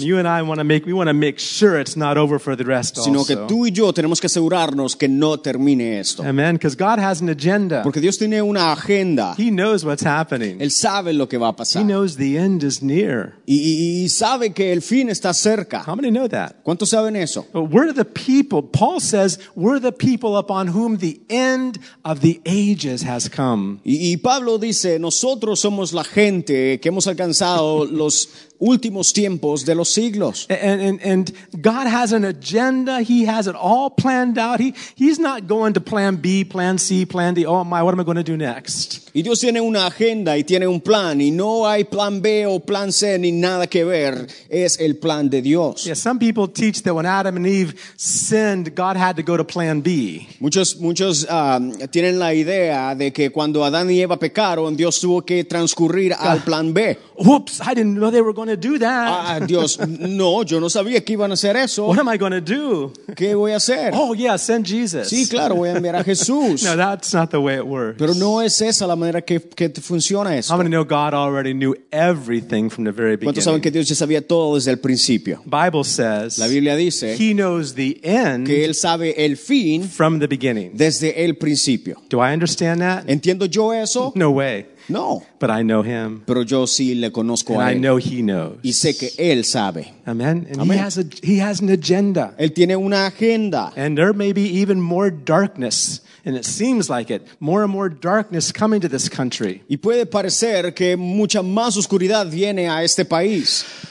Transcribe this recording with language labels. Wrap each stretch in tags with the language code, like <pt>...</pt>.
<en>And you and I want to make sure it's not over for the rest.</en> <es>Sino</es> <en>also.</en> <es>Que tú y yo tenemos que asegurarnos que no termine esto.</es> <en>Amen. Because God has an agenda.</en> <es>Porque Dios tiene una agenda.</es> <en>He knows what's happening.</en> <es>Él sabe lo que va a pasar.</es> <en>He knows the end is near.</en> <es>Y sabe que el fin está cerca.</es> <en>How many know that?</en> <es>¿Cuántos saben eso?</es> <en>But we're the people. Paul says we're the people upon whom the end of the ages has come.</en> <es>Y Pablo dice, nosotros somos la gente que hemos alcanzado los últimos tiempos de los siglos.</es> <en>And God has an agenda. He has it all planned out. He's not going to plan B, plan C, plan D. Oh my, what am I going to do next?</en> <es>Y Dios tiene una agenda y tiene un plan, y no hay plan B o plan C ni nada que ver. Es el plan de Dios.</es> <en>Yeah, some people teach that when Adam and Eve sinned, God had to go to plan B.</en> <es>Muchos tienen la idea de que cuando Adán y Eva pecaron, Dios tuvo que transcurrir al plan B.</es> <en>Whoops, I didn't know they were going to do that.</en> <es>Dios, no, yo no sabía que iban a hacer eso.</es> <en>What am I going to do?</en> <es>¿Qué voy a hacer?</es> <en>Oh yeah, send Jesus.</en> <es>Sí, claro, voy a enviar a Jesús.</es> <en>No, that's not the way it works.</en> <es>Pero no es esa la manera que funciona esto.</es> <en>How many know God already knew everything from the very beginning?</en> <es>¿Cuántos saben que Dios ya sabía todo desde el principio?</es> <en>Bible says,</en> <es>la Biblia dice,</es> <en>he knows the end,</en> <es>que él sabe el fin,</es> <en>from the beginning,</en> <es>desde el principio.</es> <en>Do I understand that?</en> <es>¿Entiendo yo eso?</es> <en>No way.</en> <es>No,</es> <en>but I know him.</en> <es>Pero yo sí le conozco</es> <en>and</en> <es>a él.</es> <en>I know he knows.</en> <es>Y sé que él sabe.</es> <en>Amen. And amen. He has an agenda.</en> <es>Él tiene una agenda.</es> <en>And there may be even more darkness, and it seems like it, more and more darkness coming to this country.</en> <es>Y puede parecer que mucha más oscuridad viene a este país.</es>